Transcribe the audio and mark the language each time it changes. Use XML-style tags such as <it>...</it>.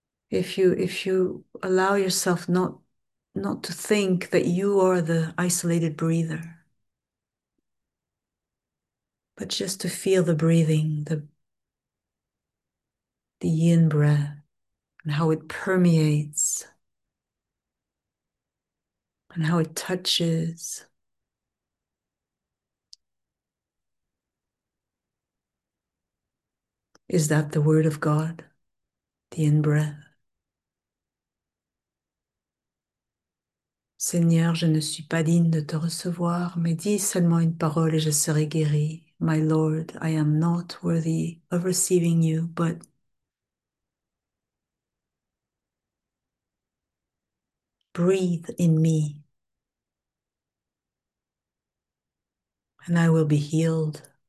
<en>If you allow yourself not to think that you are the isolated breather, but just to feel the breathing, the yin breath, and how it permeates, and how it touches. Is that the word of God, the in breath?</en> <fr>Seigneur, je ne suis pas digne de te recevoir, mais dis seulement une parole et je serai guéri.</fr> <en>My Lord, I am not worthy of receiving you, but breathe in me and I will be healed.</en>